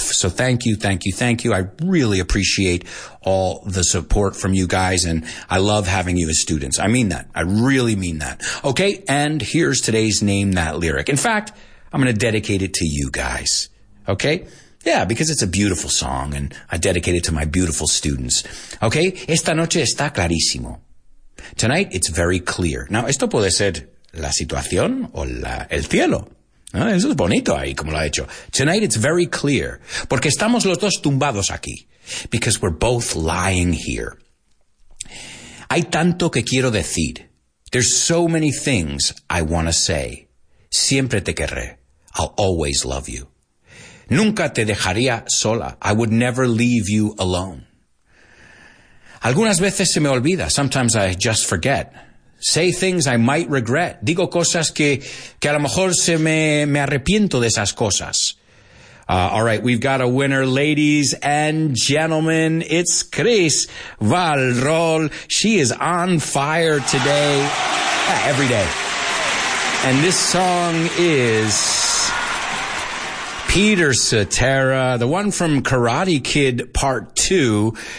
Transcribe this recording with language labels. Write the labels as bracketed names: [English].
[English] So thank you, thank you, thank you. I really appreciate all the support from you guys, and I love having you as students. I mean that. I really mean that. Okay, and here's today's Name That Lyric. In fact, I'm going to dedicate it to you guys. Okay? Yeah, because it's a beautiful song, and I dedicate it to my beautiful students. Okay? [Spanish] Esta noche está clarísimo. [English] Tonight, it's very clear. [Spanish] Now, esto puede ser la situación o el cielo. ¿No? Eso es bonito ahí, como lo ha hecho. [English] Tonight, it's very clear. [Spanish] Porque estamos los dos tumbados aquí. [English] Because we're both lying here. [Spanish] Hay tanto que quiero decir. [English] There's so many things I want to say. [Spanish] Siempre te querré. [English] I'll always love you. [Spanish] Nunca te dejaría sola. [English] I would never leave you alone. [Spanish] Algunas veces se me olvida. [English] Sometimes I just forget. Say things I might regret. [Spanish] Digo cosas que a lo mejor se me arrepiento de esas cosas. [English] All right, we've got a winner, ladies and gentlemen. It's Chris Valrol. She is on fire today. Yeah, every day. And this song is Peter Cetera, the one from Karate Kid Part 2.